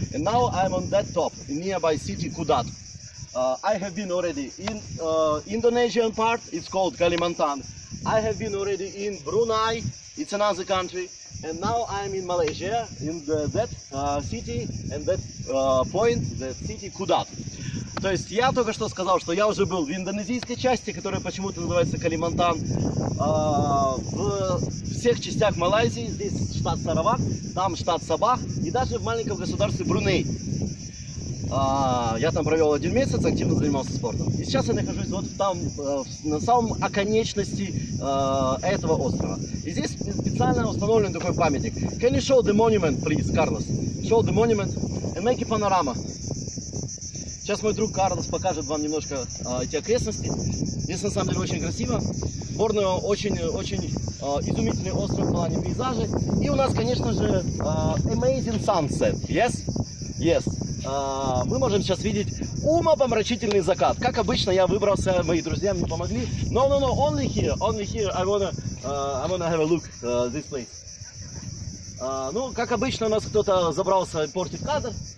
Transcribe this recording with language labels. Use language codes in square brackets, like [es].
[en] And now I'm on that top, nearby city Kudat. I have been already in Indonesian part, it's called Kalimantan. I have been already in Brunei, it's another country. And now I'm in Malaysia, in that city, and that point, the city Kudat. [ru] То есть я только что сказал, что я уже был в индонезийской части, которая почему-то называется Калимантан, в всех частях Малайзии, здесь штат Саравак, там штат Сабах, и даже в маленьком государстве Бруней. Я там провел один месяц, активно занимался спортом. И сейчас я нахожусь вот там, на самом оконечности этого острова. И здесь специально установлен такой памятник. [en] Can you show the monument, please, Carlos? Show the monument and make a panorama. [ru] Сейчас мой друг Карлос покажет вам немножко эти окрестности. Здесь на самом деле очень красиво. Борнео очень-очень изумительный остров в плане пейзажа. И у нас, конечно же, [en] amazing sunset. Yes? Yes. [ru] Мы можем сейчас видеть умопомрачительный закат. Как обычно, я выбрался, мои друзья мне помогли. [en] No, only here, I wanna have a look this place. [ru] Ну, как обычно, у нас кто-то забрался и портит кадр.